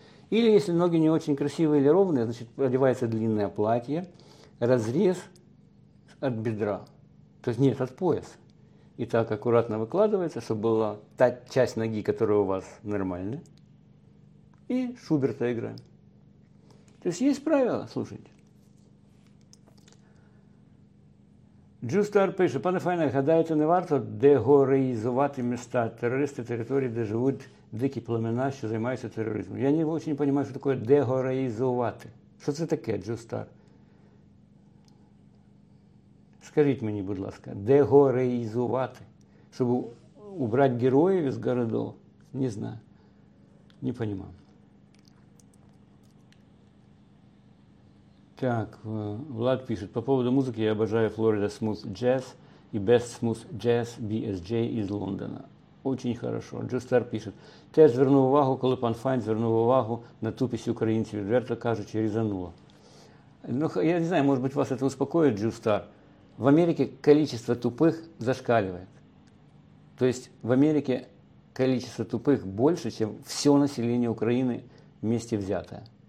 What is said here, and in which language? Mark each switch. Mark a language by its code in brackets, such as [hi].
[ru] Или если ноги не очень красивые или ровные, значит, одевается длинное платье, разрез от бедра. То есть нет, от пояса. И так аккуратно выкладывается, чтобы была та часть ноги, которая у вас нормальная. И Шуберта играем. То есть есть правила, слушайте. [uk] Джу Стар пише, пане Файне, гадаєте, не варто дегореїзувати міста, терористи, території, де живуть дикі племена, що займаються тероризмом. Я не дуже розумію, що таке дегореїзувати. Що це таке, Джу Стар? Скажіть мені, будь ласка, дегореїзувати, щоб убрати героїв із городу? Не знаю, не розумію. [ru] Так, Влад пишет, по поводу музыки я обожаю Florida Smooth Jazz и Best Smooth Jazz BSJ из Лондона. Очень хорошо. [uk] Джо Стар пишет, теж звернув увагу, коли пан Файн звернув увагу на тупість українців, відверто кажучи, різануло. [ru] Ну, я не знаю, может быть, вас это успокоит, Джо Стар. В Америке количество тупых зашкаливает. То есть в Америке количество тупых больше, чем все население Украины вместе взятое.